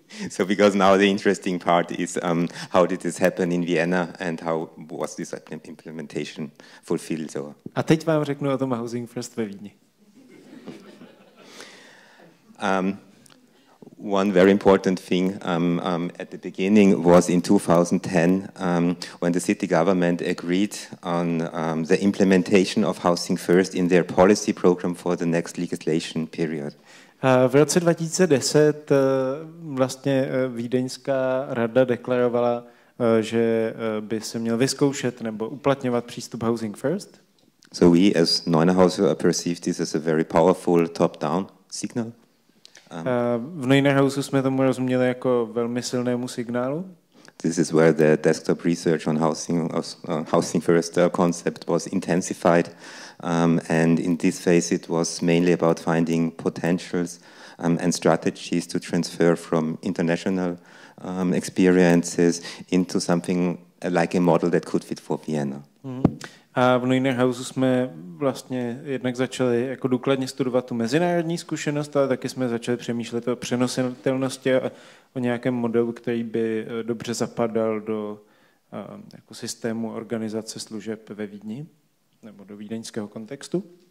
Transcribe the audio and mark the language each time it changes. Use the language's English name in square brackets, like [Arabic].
[English] So because now the interesting part is how did this happen in Vienna and how was this implementation fulfilled? So. [Czech] A teď vám řeknu o tom housing first ve Vídni. [English] One very important thing at the beginning was in 2010 when the city government agreed on the implementation of housing first in their policy program for the next legislation period. [Czech] V roce 2010 vlastně Vídeňská rada deklarovala, že by se měl vyzkoušet nebo uplatňovat přístup housing first. [English] So we as Neuenhaus perceived this as a very powerful top-down signal. [Czech] V Neuenhausu jsme tomu rozuměli jako velmi silnému signálu. [English] This is where the desktop research on housing first concept was intensified, and in this phase it was mainly about finding potentials and strategies to transfer from international experiences into something like a model that could fit for Vienna. [Czech] A v Neuenhausu jsme vlastně jednak začali jako důkladně studovat tu mezinárodní zkušenost, ale taky jsme začali přemýšlet o přenositelnosti a o nějakém modelu, který by dobře zapadal do jako systému organizace služeb ve Vídni nebo do vídeňského kontextu.